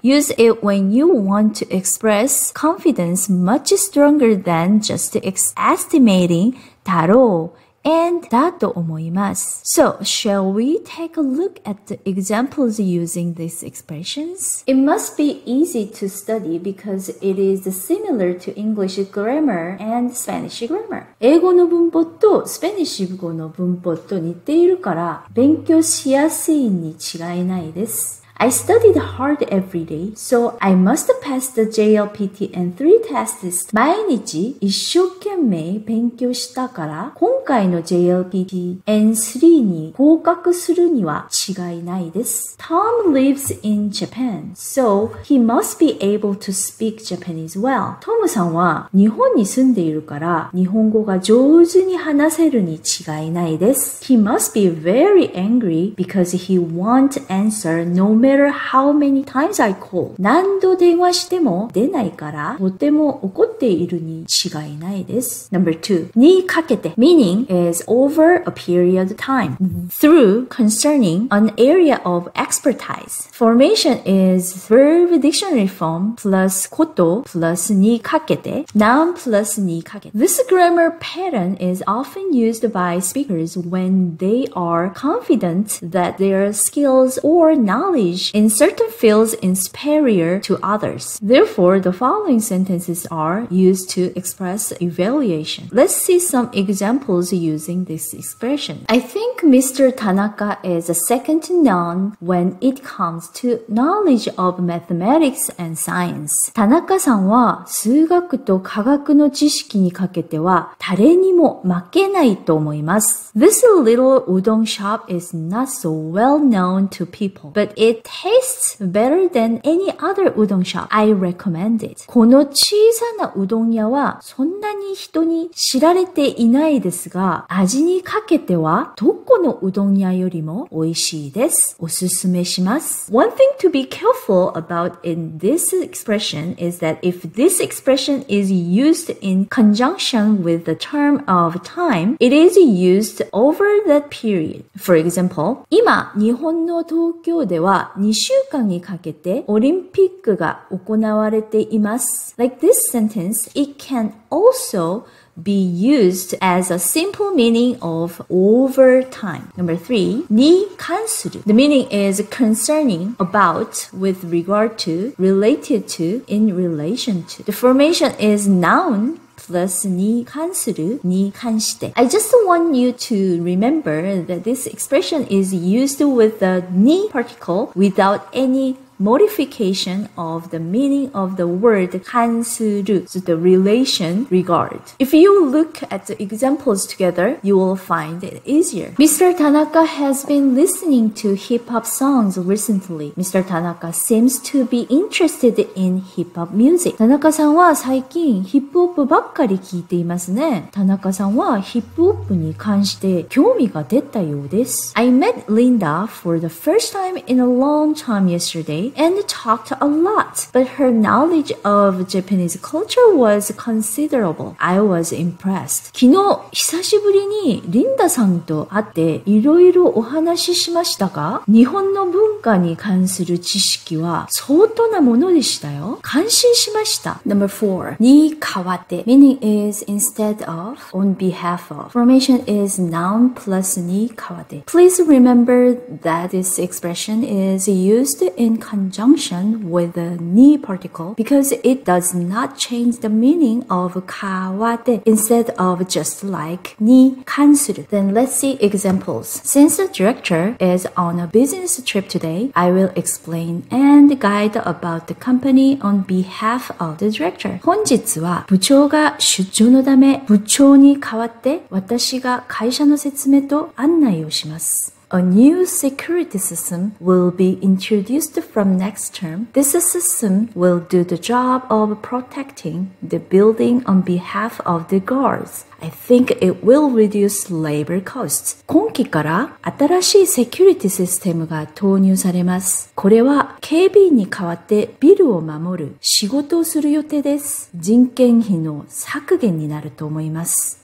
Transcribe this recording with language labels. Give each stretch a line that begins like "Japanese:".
English: Use it when you want to express confidence much stronger than just estimating だろう。 And that と思います。 So, shall we take a look at the examples using these expressions? It must be easy to study because it is similar to English grammar and Spanish grammar.
Japanese: 英語の文法とスペニッシュ語の文法と似ているから勉強しやすいに違いないです。
English: I studied hard every day, so I must pass the JLPT N3 test this time.
Japanese: 毎日一生懸命勉強したから、今回の JLPT N3 に合格するには違いないです。
English: Tom lives in Japan, so he must be able to speak Japanese well.
Japanese: トムさんは日本に住んでいるから、日本語が上手に話せるに違いないです。
English: He must be very angry because he won't answer no matter how many times I call.
Japanese: 何度電話しても出ないからとても怒っているに違いないです。
English: Number two, にかけて meaning is over a period of time. Through concerning an area of expertise. Formation is verb dictionary form plus こと plus にかけて noun plus にかけて. This grammar pattern is often used by speakers when they are confident that their skills or knowledge in certain fields is superior to others. Therefore, the following sentences are used to express evaluation. Let's see some examples using this expression. I think Mr. Tanaka is second to none when it comes to knowledge of mathematics and science.
Japanese: 田中さんは数学と科学の知識にかけては誰にも負けないと思います。
English: This little udon shop is not so well known to people, but it tastes better than any other udon shop. I recommend it.
Japanese: この小さなうどん屋はそんなに人に知られていないですが、味にかけてはどこのうどん屋よりも美味しいです。おすすめします。
English: One thing to be careful about in this expression is that if this expression is used in conjunction with the term of time, it is used over that period. For example,
Japanese: 今日本の東京では2週間にかけてオリンピックが行われています。
English: Like this sentence, it can also be used as a simple meaning of over time. Number three, に関する. The meaning is concerning, about, with regard to, related to, in relation to. The formation is noun. Plus, に関する, に関して. I just want you to remember that this expression is used with the に particle without any modification of the meaning of the word 関する, so the relation regard. If you look at the examples together, you will find it easier. Mr. Tanaka has been listening to hip-hop songs recently. Mr. Tanaka seems to be interested in hip-hop music.
Japanese: 田中さんは最近ヒップホップばっかり聞いていますね。田中さんはヒップホップに関して興味が出たようです。
English: I met Linda for the first time in a long time yesterday. and talked a lot, but her knowledge of Japanese culture was considerable. I was impressed.
Japanese: 昨日久しぶりにリンダさんと会っていろいろお話ししましたが、日本の文化に関する知識は相当なものでしたよ。感心しました。
English: Number four, に代わって meaning is instead of, on behalf of. Formation is noun plus に代わって。Please remember that this expression is used in conjunction with the に particle because it does not change the meaning of 代わって instead of just like に関する。 Then let's see examples. Since the director is on a business trip today, I will explain and guide about the company on behalf of the director.
Japanese: 本日は部長が出張のため部長に代わって私が会社の説明と案内をします。
English: A new security system will be introduced from next term. This system will do the job of protecting the building on behalf of the guards. I think it will reduce labor costs.
Japanese: 今期から新しいセキュリティシステムが投入されます。これは警備員に代わってビルを守る仕事をする予定です。人件費の削減になると思います。